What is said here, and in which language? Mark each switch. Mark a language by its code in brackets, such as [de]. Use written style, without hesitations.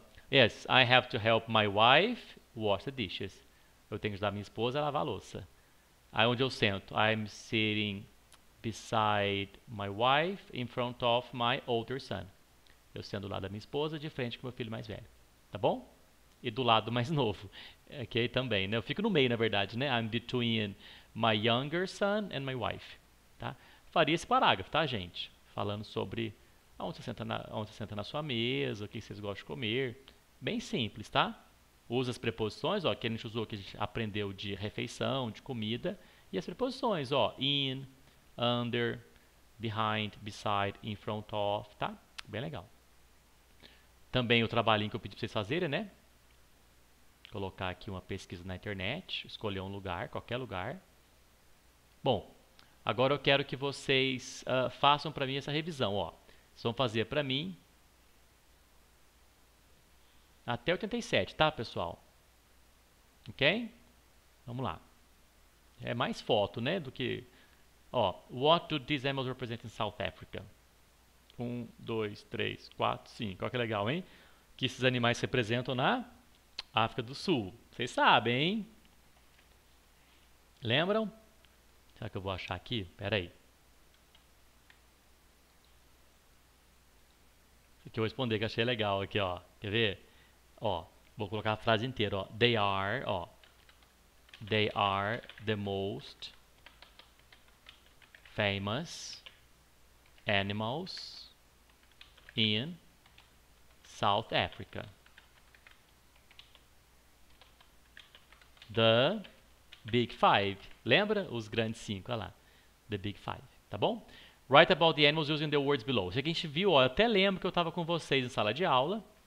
[en] Yes, I have to help my wife wash the dishes. [pt] Eu tenho que ajudar minha esposa a lavar a louça. Aí onde eu sento? [en] I'm sitting beside my wife in front of my older son. [pt] Eu sento do lado da minha esposa, de frente com meu filho mais velho. Tá bom? E do lado mais novo. Aqui também, né? Eu fico no meio, na verdade, né? [en] I'm between my younger son and my wife. [pt] Tá? Faria esse parágrafo, tá, gente? Falando sobre onde você senta na sua mesa, o que vocês gostam de comer. Bem simples, tá? Usa as preposições, ó, que a gente usou, que a gente aprendeu de refeição, de comida. E as preposições, ó, in, under, behind, beside, in front of, tá? Bem legal. Também o trabalhinho que eu pedi pra vocês fazerem, né? Colocar aqui uma pesquisa na internet, escolher um lugar, qualquer lugar. Bom, agora eu quero que vocês façam para mim essa revisão, ó. Vocês vão fazer para mim até 87, tá, pessoal? Ok? Vamos lá. É mais foto, né, do que... [en] Ó, what do these animals represent in South Africa? [pt] Um, dois, três, quatro, cinco. Olha que legal, hein? Que esses animais representam na África do Sul. Vocês sabem, hein? Lembram? Será que eu vou achar aqui? Pera aí. Aqui eu vou responder que achei legal aqui, ó. Quer ver? Ó, vou colocar a frase inteira, ó. They are, ó. [en] They are the most famous animals in South Africa. [pt] The Big Five. Lembra? Os grandes cinco, olha lá. [en] The Big Five, tá bom? Write about the animals using the words below. [pt] Isso aqui a gente viu, ó, eu até lembro que eu estava com vocês em sala de aula.